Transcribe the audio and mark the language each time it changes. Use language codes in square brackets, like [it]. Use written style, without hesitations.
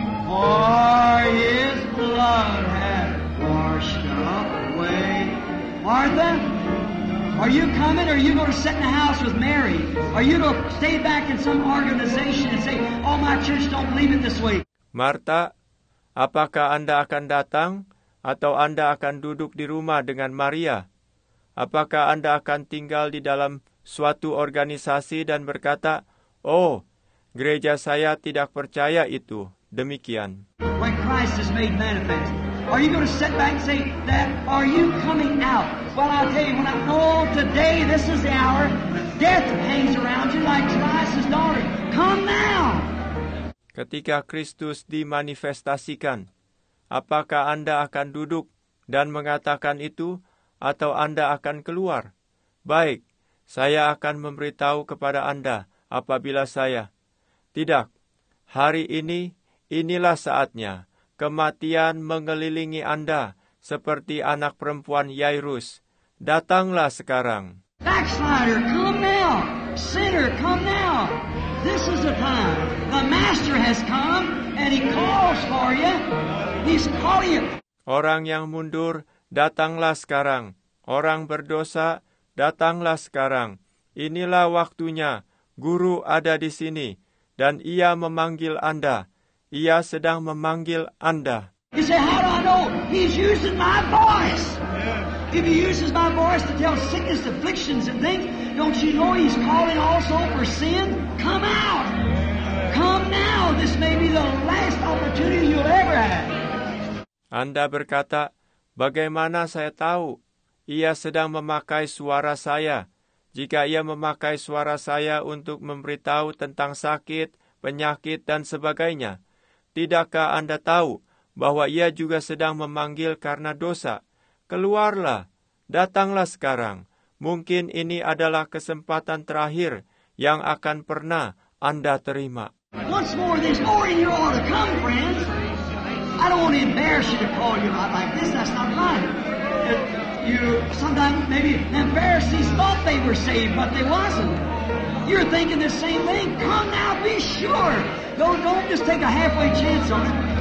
[en] For his blood hath washed away. Martha, are you coming or are you going to sit in the house with Mary? Are you going to stay back in some organization and say, "Oh, my church don't believe it this way"? [id] Martha, apakah Anda akan datang atau Anda akan duduk di rumah dengan Maria? Apakah Anda akan tinggal di dalam suatu organisasi dan berkata, "Oh, gereja saya tidak percaya itu"? Demikian. [en] When Christ is made manifest, are you going to sit back and say that? Are you coming out? Well, I'll tell you, when I know today this is the hour, death hangs around you like Christ's daughter. Come now! [id] Ketika Kristus dimanifestasikan, apakah Anda akan duduk dan mengatakan itu, atau Anda akan keluar? Baik, saya akan memberitahu kepada Anda apabila saya. Tidak, hari ini, inilah saatnya. Kematian mengelilingi Anda seperti anak perempuan Yairus. Datanglah sekarang. [en] Backslider, come now. Sinner, come now. This is the time. The Master has come and he calls for you. He's calling you. [id] Orang yang mundur, datanglah sekarang. Orang berdosa, datanglah sekarang. Inilah waktunya. Guru ada di sini dan ia memanggil Anda. Ia sedang memanggil Anda. [en] You say, "How do I know? He's using my voice." If he uses my voice to tell sickness, afflictions, and things, don't you know he's calling also for sin? Come out! Come now! This may be the last opportunity you'll ever have. [id] Anda berkata, "Bagaimana saya tahu ia sedang memakai suara saya? Jika ia memakai suara saya untuk memberitahu tentang sakit, penyakit, dan sebagainya, tidakkah Anda tahu bahwa ia juga sedang memanggil karena dosa? keluarlah, datanglah sekarang. Mungkin ini adalah kesempatan terakhir yang akan pernah Anda terima. [en] Once more, this morning you ought to come, friends. I don't want to embarrass you to call you out like this. That's not right. You sometimes maybe the Pharisees thought they were saved, but they wasn't. You're thinking the same thing. Come now, be sure. Don't just take a halfway chance on it.